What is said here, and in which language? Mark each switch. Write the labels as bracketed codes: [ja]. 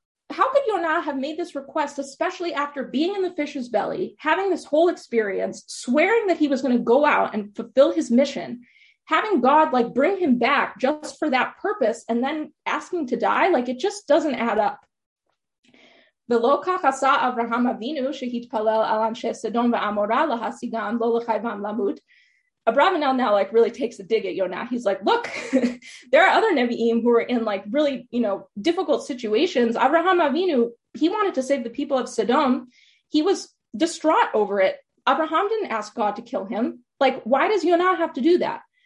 [en] How could Yonah have made this request, especially after being in the fish's belly, having this whole experience, swearing that he was going to go out and fulfill his mission, having God like bring him back just for that purpose, and then asking to die? Like, it just doesn't add up. [he] ולא כך עשה אברהם אבינו שהתפלל על אנשי סדום ועמורה להשיגן לא לחייבם למות. [en] Abarbanel now like really takes a dig at Yona. He's like, look, there are other Nevi'im who are in like really, you know, difficult situations. Abraham Avinu, he wanted to save the people of Sodom. He was distraught over it. Abraham didn't ask God to kill him. Like, why does Yona have to do that?